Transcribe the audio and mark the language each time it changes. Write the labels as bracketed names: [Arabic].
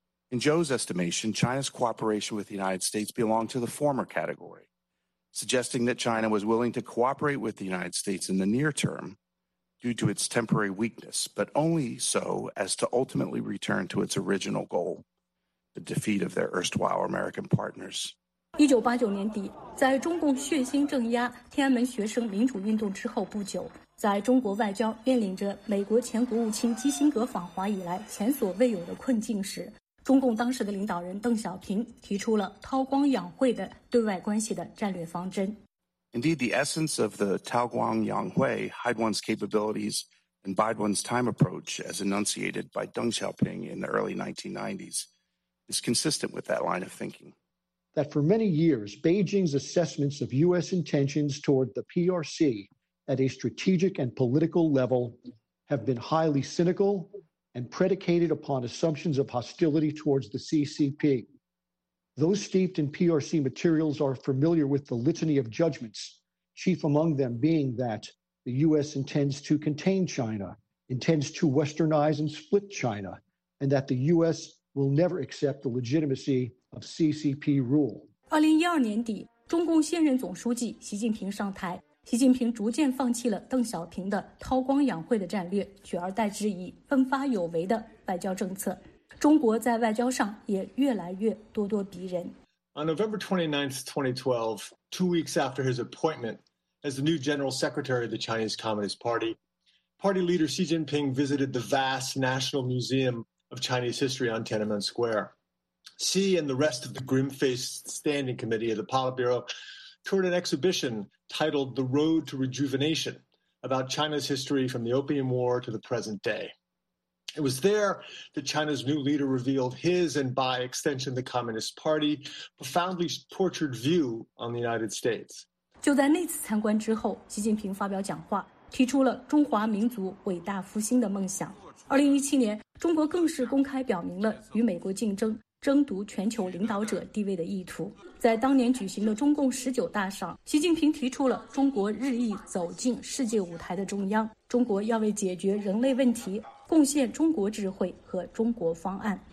[English] In Joe's estimation, China's cooperation with the United States belonged to the former category. Suggesting that China was willing to cooperate with the United States in the near term due to its temporary weakness, but only so as to ultimately return to its original goal, the defeat of their erstwhile American partners. [Chinese] 1989年底，在中共血腥镇压天安门学生民主运动之后不久，在中国外交面临着美国前国务卿基辛格访华以来前所未有的困境时，中共当时的领导人邓小平提出了韬光养晦的对外关系的战略方针。 [English] Indeed, the essence of the 韬光养晦, hide one's capabilities and bide one's time approach, as enunciated by Deng Xiaoping in the early 1990s, is consistent with that line of thinking. That for many years, Beijing's assessments of U.S. intentions toward the PRC at a strategic and political level have been highly cynical,and predicated upon assumptions of hostility towards the CCP. Those steeped in PRC materials are familiar with the litany of judgments, chief among them being that the U.S. intends to contain China, intends to westernize and split China, and that the U.S. will never accept the legitimacy of CCP rule. [Chinese] 2012年底，中共现任总书记习近平上台，习近平逐渐放弃了邓小平的韬光养晦的战略，取而代之以奋发有为的外交政策。中国在外交上也越来越咄咄逼人。 [English] On November 29th, 2012, 2 weeks after his appointment as the new General Secretary of the Chinese Communist Party, Party leader Xi Jinping visited the vast National Museum of Chinese History on Tiananmen Square. Xi and the rest of the grim-faced Standing Committee of the Politburo toured an exhibition. titled The Road to Rejuvenation, about China's history from the Opium War to the present day. It was there that China's new leader revealed his, and by extension the Communist Party, profoundly tortured view on the United States. [Chinese] 就在那次参观之后，习近平发表讲话，提出了中华民族伟大复兴的梦想。 2017年，中国更是公开表明了与美国竞争。争夺全球领导者地位的意图。在当年举行的中共十九大上，习近平提出了中国日益走进世界舞台的中央，中国要为解决人类问题贡献中国智慧和中国方案。